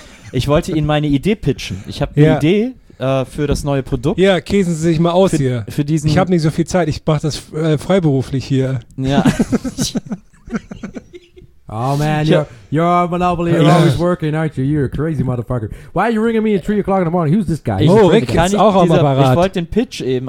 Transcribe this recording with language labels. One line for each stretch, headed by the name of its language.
German: Ich wollte Ihnen meine Idee pitchen. Ich habe eine Idee für das neue Produkt. Ja, käsen Sie sich mal aus für, hier. Für diesen. Ich habe nicht so viel Zeit, ich mache das freiberuflich hier. Ja.
English: Oh man, you're a monopoly, you're always working, aren't you? You're a crazy motherfucker. Why are you ringing me at 3 o'clock in the morning? Who's this guy?
German: Oh, Rick ist auch am Apparat. Ich wollte den Pitch eben.